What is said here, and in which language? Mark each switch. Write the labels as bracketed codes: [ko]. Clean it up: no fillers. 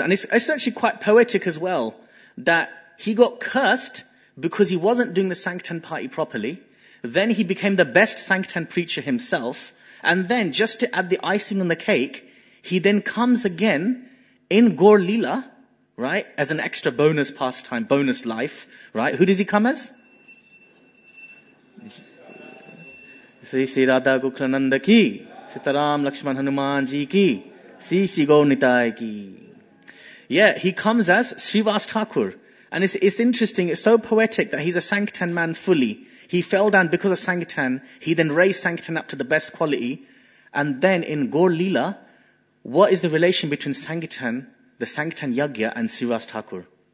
[en] And it's actually quite poetic as well that he got cursed because he wasn't doing the Sankirtan party properly. Then he became the best Sankirtan preacher himself. And then, just to add the icing on the cake, he then comes again in Gaur Lila, right, as an extra bonus pastime, bonus life, right? Who does he come as? [hi] Shri Shri Radha Gokul नंद की, सीताराम लक्ष्मण हनुमान जी की, श्री श्री गौर निताय की. [en] Yeah, he comes as Srivas Thakur. And it's interesting, it's so poetic that he's a Sankirtan man fully. He fell down because of Sankirtan. He then raised Sankirtan up to the best quality. And then in Gaur Leela, what is the relation between Sankirtan, the Sankirtan Yagya, and Srivas Thakur?